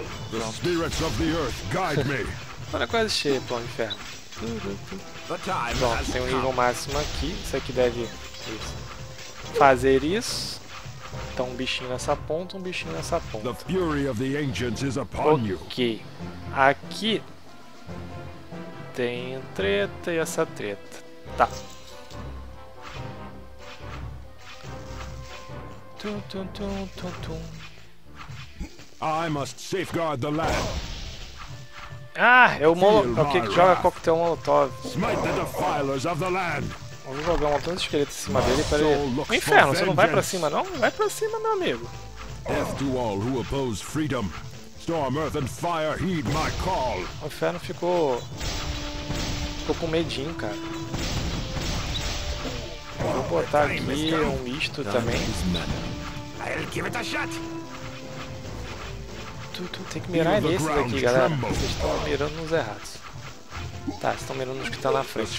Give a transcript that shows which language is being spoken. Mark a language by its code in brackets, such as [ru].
[en] The spirits of the earth guide me. [pt] Mana quase cheia pro inferno. Bom, tem um nível máximo aqui, isso aqui deve fazer isso. Então um bichinho nessa ponta, um bichinho nessa ponta. [en] The fury of the ancients is upon you. [pt] Ok. Aqui tem treta e essa treta. Tá. Tum, tum, tum, tum, tum. [en] I must safeguard the land. [pt] Ah, é o Molotov. Okay, que joga coquetel Molotov. [en] Smite the defilers of the land. [pt] Vamos jogar um montão de esqueletos em cima dele para ele. Oh, inferno, você não vai pra cima não? Vai pra cima, meu amigo. [en] Death to all who oppose freedom. Storm, earth and fire, heed my call. [pt] O inferno ficou com medinho, cara. Vou botar aqui um misto também. [en] I'll give it a shot. [pt] Tem que mirar nesses aqui, galera. Vocês estão mirando nos errados. Tá, vocês estão mirando nos que estão na frente.